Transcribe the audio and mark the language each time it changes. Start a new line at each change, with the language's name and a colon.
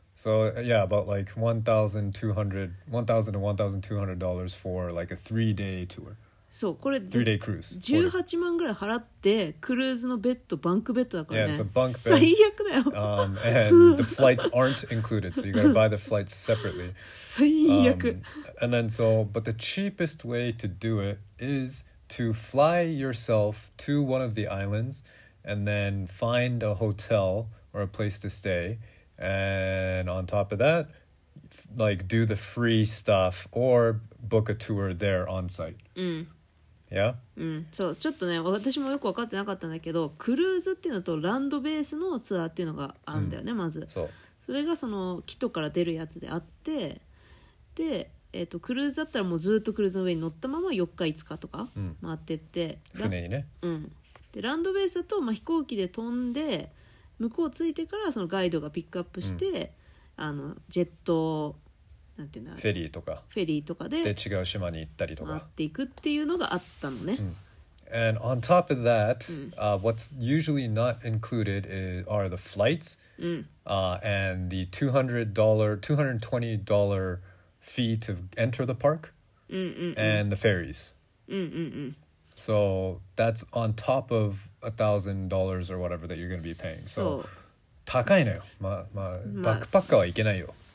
English: So, yeah, about like $1,200 for like a three-day tour.
Japanese: そう、これ、
English: three-day cruise.
Japanese: 18万ぐらい払って、クルーズのベッド、バンクベッドだからね。
English: Yeah, it's a bunk bed.
Japanese: 最悪だよ。
English: And the flights aren't included, so you gotta buy the flights separately. 最悪。 And then so, but the cheapest way to do it is... to fly yourself to one of the islands and then find a hotel or a place to stay. And on top of that, like do the free stuff or book a tour there on site. Yeah?
Japanese: So, ちょっとね、私もよく分かってなかったんだけど、クルーズっていうのとランドベースのツアーっていうのがあるんだよね、まず。そう。それがその基地から出るやつであって、で、クルーズだったらもうずっとクルーズの上に乗ったまま4日5日とか回ってって、うん、船にね、うん、でランドベースだと、まあ、飛行機で飛んで向こう着いてからそのガイドがピックアップして、うん、あのジェットなんていうんだフェリーとかフェリーとかで、で違う島に行ったりとか回っていくっていうのがあったのね、
English: うん、And on top of that、うん what's usually not included is, are the flights、
Japanese: うん
English: and the $220fee to enter the park and the ferries. So that's on top of $1,000 or whatever that you're going to be paying.
Japanese: So, 高いのよ。まあまあ、バックパッカーはいけないよ。